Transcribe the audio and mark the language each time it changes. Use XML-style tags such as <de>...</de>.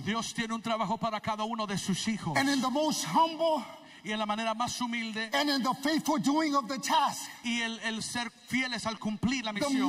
<es>Dios tiene un trabajo para cada uno de sus hijos.</es> <en>And in the most humble</en> <es>y en la manera más humilde,</es> <en>and in the faithful doing of the task,</en> <es>y el ser fieles al cumplir la misión,</es>